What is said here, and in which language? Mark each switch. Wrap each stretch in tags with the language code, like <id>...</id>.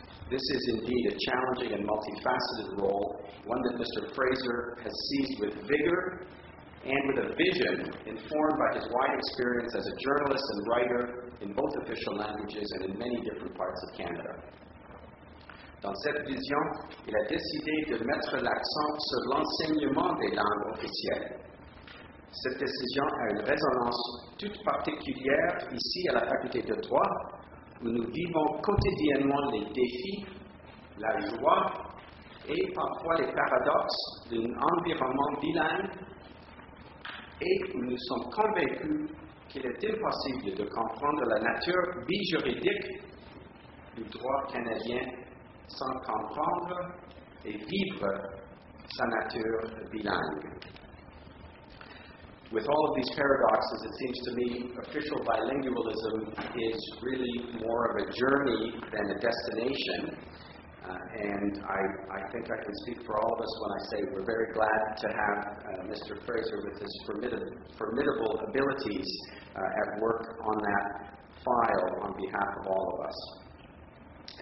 <en>This is indeed a challenging and multifaceted role, one that Mr. Fraser has seized with vigor and with a vision informed by his wide experience as a journalist and writer in both official languages and in many different parts of Canada.</en> <fr>Dans cette vision, il a décidé de mettre l'accent sur l'enseignement des langues officielles. Cette décision a une résonance toute particulière ici à la Faculté de droit, où nous vivons quotidiennement les défis, la joie et parfois les paradoxes d'un environnement bilingue et où nous sommes convaincus qu'il est impossible de comprendre la nature bijuridique du droit canadien sans comprendre et vivre sa nature bilingue.</fr> <en>With all of these paradoxes, it seems to me official bilingualism is really more of a journey than a destination. And I think I can speak for all of us when I say we're very glad to have Mr. Fraser with his formidable abilities at work on that file on behalf of all of us.</en>